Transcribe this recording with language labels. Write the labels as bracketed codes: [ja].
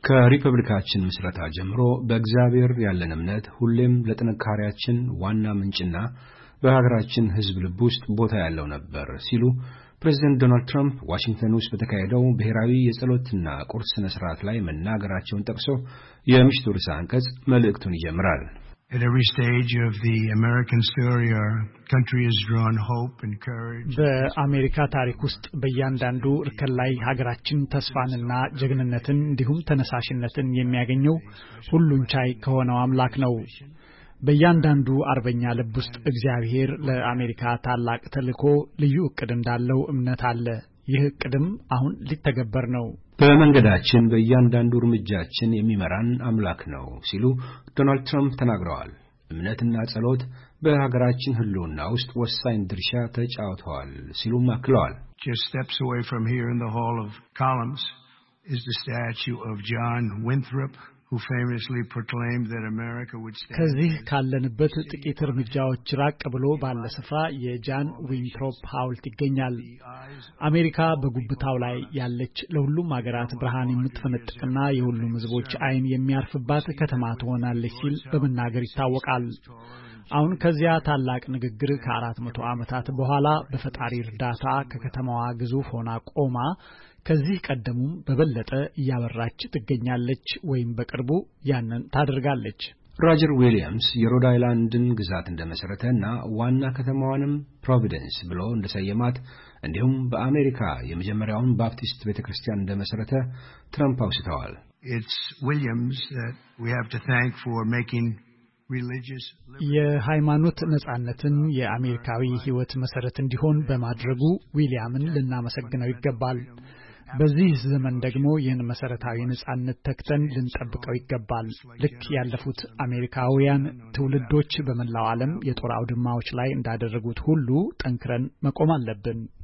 [am] ከሪፐብሊካችን ምስረታ ጀምሮ በእግዚአብሔር ያለን እምነት ሁሌም ለጥንካሬያችን ዋና ምንጭና በሀገራችን ህዝብ ልብ ውስጥ ቦታ ያለው ነበር ሲሉ ፕሬዚደንት ዶናልድ ትራምፕ ዋሽንግተን ውስጥ በተካሄደው ብሔራዊ የጸሎትና ቁርስ ስነ ስርዓት ላይ መናገራቸውን ጠቅሶ የምሽቱ ርዕሰ አንቀጽ መልእክቱን ይጀምራል። [en] At every stage of the American story, our country has drawn hope and courage. [am] በአሜሪካ ታሪክ ውስጥ በእያንዳንዱ እርከን ላይ ሀገራችን ተስፋንና ጀግንነትን እንዲሁም ተነሳሽነትን የሚያገኘው ሁሉን ቻይ ከሆነው አምላክ ነው። በእያንዳንዱ አርበኛ ልብ ውስጥ እግዚአብሔር ለአሜሪካ ታላቅ ተልዕኮ ልዩ እቅድ እንዳለው እምነት አለ። ይህ እቅድም አሁን ሊተገበር ነው። በመንገዳችን በእያንዳንዱ እርምጃችን የሚመራን አምላክ ነው ሲሉ ዶናልድ ትራምፕ ተናግረዋል። እምነትና ጸሎት በሀገራችን ህልውና ውስጥ ወሳኝ ድርሻ ተጫውተዋል ሲሉም አክለዋል። [en] Just steps away from here in the Hall of Columns is the statue of John Winthrop who famously proclaimed that America would stand. [am] ከዚህ ካለንበት ጥቂት እርምጃዎች ራቅ ብሎ ባለ ስፍራ የጃን ዊንትሮፕ ሐውልት ይገኛል። አሜሪካ በጉብታው ላይ ያለች ለሁሉም ሀገራት ብርሃን የምትፈነጥቅና የሁሉም ህዝቦች አይን የሚያርፍባት ከተማ ትሆናለች ሲል በመናገር ይታወቃል። አሁን ከዚያ ታላቅ ንግግር ከአራት መቶ ዓመታት በኋላ በፈጣሪ እርዳታ ከከተማዋ ግዙፍ ሆና ቆማ ከዚህ ቀደሙም በበለጠ ያበራች ትገኛለች ወይም በቅርቡ ያንን ታደርጋለች። ሮጀር ዊሊያምስ የሮድ አይላንድን ግዛት እንደመሰረተና ዋና ከተማዋንም ፕሮቪደንስ ብሎ እንደሰየማት እንዲሁም በአሜሪካ የመጀመሪያውን ባፕቲስት ቤተክርስቲያን እንደመሰረተ ትራምፕ አውስተዋል። [en] It's Williams that we have to thank for making religious [am] የሃይማኖት ነጻነትን የአሜሪካዊ ህይወት መሰረት እንዲሆን በማድረጉ ዊሊያምን ልናመሰግነው ይገባል። በዚህ ዘመን ደግሞ ይህን መሰረታዊ ንጻነት ተክተን ልንጠብቀው ይገባል። ልክ ያለፉት አሜሪካውያን ትውልዶች በመላው ዓለም የጦር አውድማዎች ላይ እንዳደረጉት ሁሉ ጠንክረን መቆም አለብን።